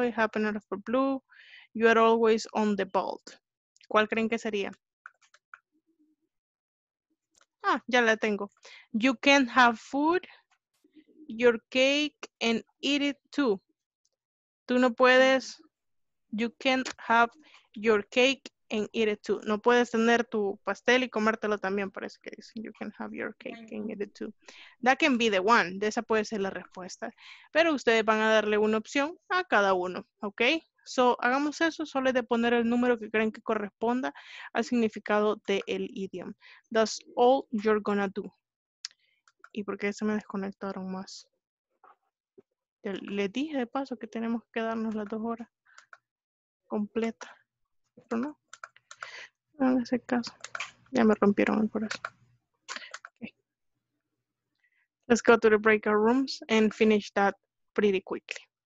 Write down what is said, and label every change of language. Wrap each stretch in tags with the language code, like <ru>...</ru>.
<en>It happened out of the blue. You are always on the ball.</en> <es>¿Cuál creen que sería? Ah, ya la tengo.</es> <en>You can have food, your cake, and eat it too.</en> <es>Tú no puedes,</es> <en>you can't have your cake and eat it too.</en> <es>No puedes tener tu pastel y comértelo también, parece que dice.</es> <en>You can have your cake and eat it too. That can be the one.</en> <es>De esa puede ser la respuesta. Pero ustedes van a darle una opción a cada uno. ¿Ok? So, hagamos eso. Solo es de poner el número que creen que corresponda al significado del idiom.</es> <en>That's all you're gonna do.</en> <es>¿Y por qué se me desconectaron más? Les dije de paso que tenemos que quedarnos las 2 horas completa. Pero no. No, en ese caso, ya me rompieron el corazón.</es> <en>Okay. Let's go to the breakout rooms and finish that pretty quickly.</en>